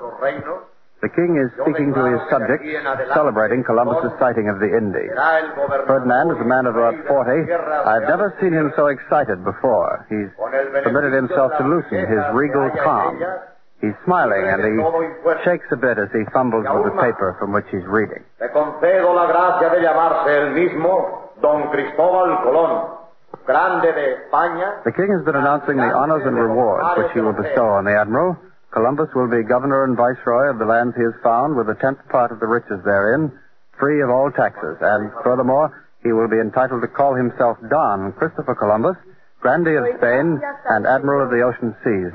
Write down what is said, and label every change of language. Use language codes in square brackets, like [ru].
[en] The king is speaking to his subjects, celebrating Columbus's sighting of the Indies. Ferdinand is a man of about 40. I've never seen him so excited before. He's permitted himself to loosen his regal calm. He's smiling, and he shakes a bit as he fumbles with the paper from which he's reading. [es] Te concedo la gracia de llamarse el mismo Don Cristóbal Colón. [en] The king has been announcing the honors and rewards which he will bestow on the admiral. Columbus will be governor and viceroy of the lands he has found, with a tenth part of the riches therein, free of all taxes. And furthermore, he will be entitled to call himself Don Christopher Columbus, Grandee of Spain, and Admiral of the Ocean Seas.